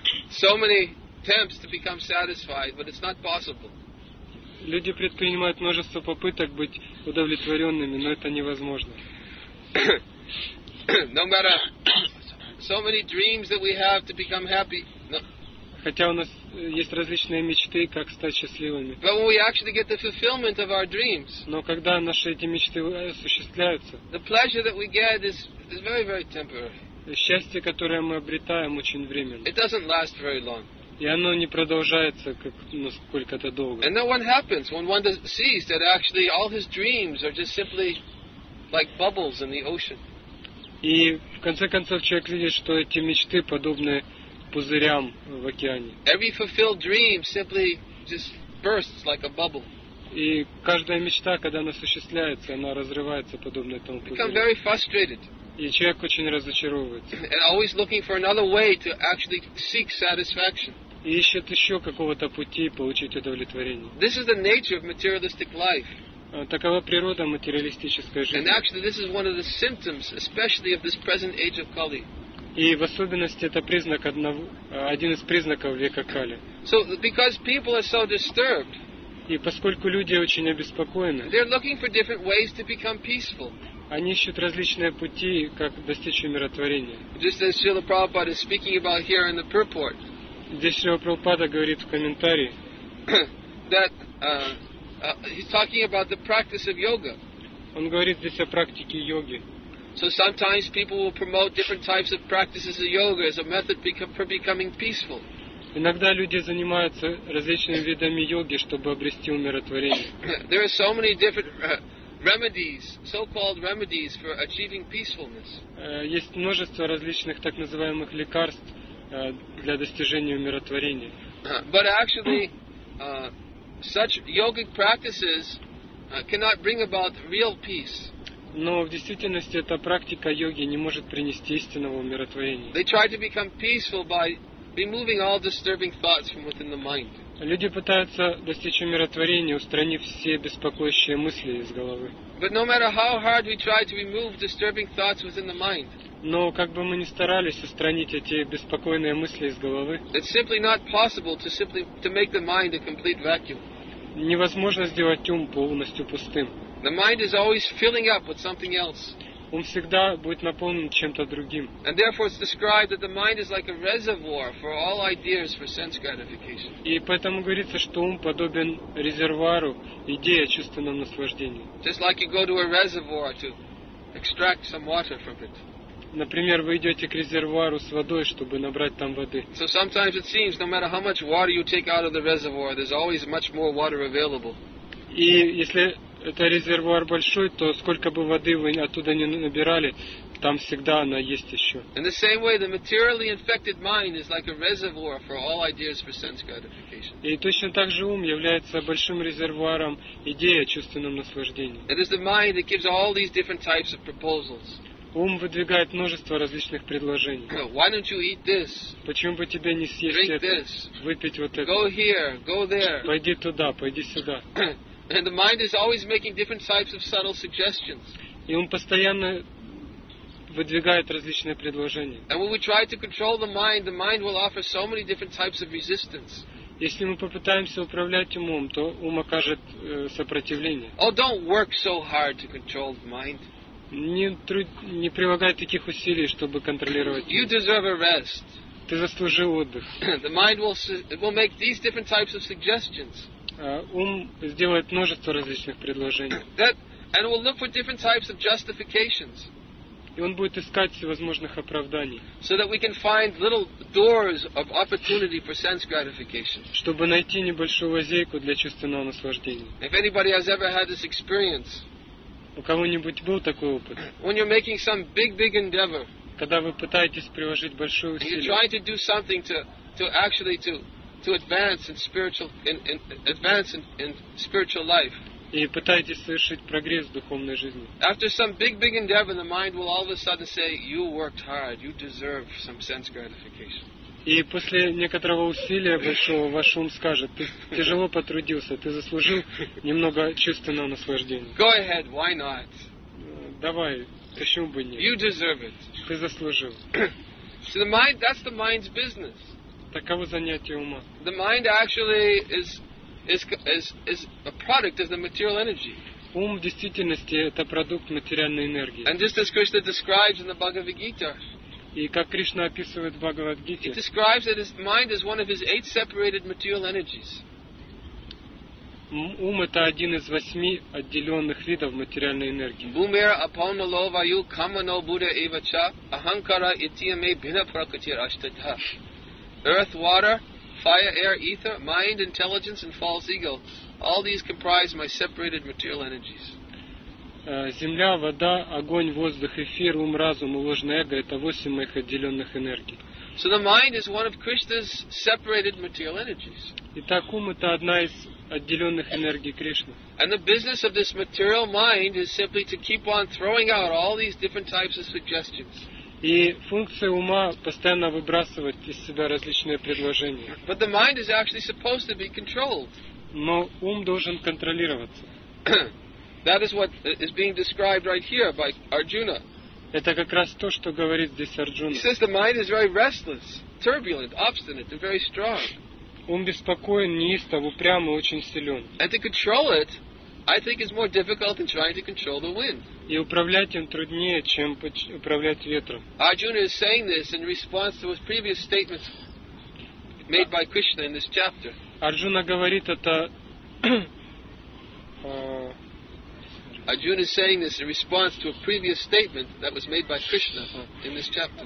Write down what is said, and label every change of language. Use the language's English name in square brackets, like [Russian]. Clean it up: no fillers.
[English] So many attempts to become satisfied, but it's not possible. [Russian] Люди предпринимают множество попыток быть удовлетворенными, но это невозможно. [English] No matter so many dreams that we have to become happy. No. [Russian] Хотя у нас есть различные мечты, как стать счастливыми. [English] But when we actually get the fulfillment of our dreams. [Russian] Но когда наши эти мечты осуществляются. [English] The pleasure that we get is very, very temporary. [Russian] Счастье, которое мы обретаем, очень временно. [English] It doesn't last very long. [Russian] И оно не продолжается как сколько-то долго. [English] And then what happens when one sees that actually all his dreams are just simply like bubbles in the ocean? [Russian] И в конце концов человек видит, что эти мечты подобны пузырям в океане. [English] Every fulfilled dream simply just bursts like a bubble. [Russian] И каждая мечта, когда она осуществляется, она разрывается подобно этому пузырю. [English] Become very frustrated. [Russian] И человек очень разочаровывается. [English] And always looking for another way to actually seek satisfaction. [Russian] И ищет еще какого-то пути получить удовлетворение. [English] This is the nature of materialistic life. [Russian] Такова природа материалистической жизни. [English] And actually, this is one of the symptoms, especially of this present age of Kali. [Russian] И в особенности это признак один из признаков века Кали. [English] So because people are so disturbed. [Russian] И поскольку люди очень обеспокоены. [English] They're looking for different ways to become peaceful. [Russian] Они ищут различные пути, как достичь умиротворения. [English] Just as Srila Prabhupada is speaking about here in the purport. [Russian] Здесь Шрила Прабхупада говорит в комментарии. [English] That he's talking about the practice of yoga. [Russian] Он говорит здесь о практике йоги. [English] So sometimes people will promote different types of practices of yoga as a method for becoming peaceful. [Russian] Иногда люди занимаются различными видами йоги, чтобы обрести умиротворение. [English] There are so many different remedies, so-called remedies for achieving peacefulness. [Russian] Есть множество различных так называемых лекарств для достижения умиротворения. [English] But actually, such yogic practices cannot bring about real peace. [Russian] Но в действительности эта практика йоги не может принести истинного умиротворения. [English] They try to become peaceful by removing all disturbing thoughts from within the mind. [Russian] Люди пытаются достичь умиротворения, устранив все беспокоящие мысли из головы. [English] But no matter how hard we try to remove disturbing thoughts within the mind. [Russian] Но как бы мы ни старались устранить эти беспокойные мысли из головы. [English] It's simply not possible to simply to make the mind a complete vacuum. [Russian] Невозможно сделать ум полностью пустым. [English] The mind is always filling up with something else. [Russian] Ум всегда будет наполнен чем-то другим. [English] And therefore it's described that the mind is like a reservoir for all ideas for sense gratification. [Russian] И поэтому говорится, что ум подобен резервуару идей о чувственном наслаждении. [English] Just like you go to a reservoir to extract some water from it. [Russian] Например, вы идете к резервуару с водой, чтобы набрать там воды. [English] So sometimes it seems no matter how much water you take out of the reservoir, there's always much more water available. [Russian] И если это резервуар большой, то сколько бы воды вы оттуда ни набирали, там всегда она есть еще. [English] In the same way, the materially infected mind is like a reservoir for all ideas for sense gratification. [Russian] И точно так же ум является большим резервуаром идей о чувственном наслаждении. [English] It is the mind that gives all these different types of proposals. [Russian] Ум выдвигает множество различных предложений. [English] Why don't you eat this? [Russian] Почему бы тебе не съесть [English] Drink [Russian] это? [English] This. [Russian] Выпить вот это? [English] Go here, go there. [Russian] Пойди туда, пойди сюда. [English] And the mind is always making different types of subtle suggestions. [Russian] И ум постоянно выдвигает различные предложения. [English] And when we try to control the mind will offer so many different types of resistance. [Russian] Если мы попытаемся управлять умом, то ум окажет сопротивление. [English] Oh, don't work so hard to control the mind. [Russian] Не прилагай таких усилий, чтобы контролировать ум. [English] You deserve a rest. [Russian] Ты заслужил отдых. [English] The mind will make these different types of suggestions. [Russian] Ум сделает множество различных предложений. [English] And will look for different types of justifications. [Russian] И он будет искать всевозможных оправданий. [English] So that we can find little doors of opportunity for sense gratification. [Russian] Чтобы найти небольшую лазейку для чувственного наслаждения. [English] If anybody has ever had this experience. [Russian] У кого-нибудь был такой опыт? [English] When you're making some big endeavor. [Russian] Когда вы пытаетесь приложить большое усилие. [English] You're trying to do something to advance in spiritual life. [Russian] И пытаетесь совершить прогресс в духовной жизни. [English] After some big endeavor, the mind will all of a sudden say, "You worked hard. You deserve some sense gratification." [Russian] И после некоторого усилия большого ваш ум скажет: "Ты тяжело потрудился. Ты заслужил немного чувственного наслаждения." [English] Go ahead. Why not? [Russian] Давай. Почему бы нет? [English] You deserve it. [Russian] Ты заслужил. [English] So the mind. That's the mind's business. [Russian] Таково занятие ума. [English] The mind actually is a product of the material energy. [Russian] Ум в действительности это продукт материальной энергии. [English] And just as Krishna describes in the Bhagavad Gita. [Russian] И как Кришна описывает в Бхагавад Гите. [English] He describes that his mind is one of his eight separated material energies. [Russian] Ум это один из восьми отделенных видов материальной энергии. [Sanskrit] Бумера апаунало ваю камано буре эвача аханкара итиеме бина пракатир аштадха. [English] Earth, water, fire, air, ether, mind, intelligence, and false ego. All these comprise my separated material energies. [Russian] Земля, вода, огонь, воздух, эфир, ум, разум, ложное эго — это восемь моих отделенных энергий. [English] So the mind is one of Krishna's separated material energies. [Russian] Итак, ум — это одна из отделенных энергий Кришны. [English] And the business of this material mind is simply to keep on throwing out all these different types of suggestions. [Russian] И функция ума — постоянно выбрасывать из себя различные предложения. [English] But the mind is actually supposed to be controlled. [Russian] Но ум должен контролироваться. [English] That is what is being described right here by Arjuna. [Russian] Это как раз то, что говорит здесь Арджуна. [English] He says the mind is very restless, turbulent, obstinate, and very strong. [Russian] Ум беспокоен, неистов, упрям и очень силен. [English] And to control it, I think it's more difficult than trying to control the wind. [Russian] И управлять им труднее, чем управлять ветром. [English] Arjuna is saying this in response to his previous statements made by Krishna in this chapter. [Russian] Арджуна говорит это. [English] Arjuna is saying this in response to a previous statement that was made by Krishna in this chapter.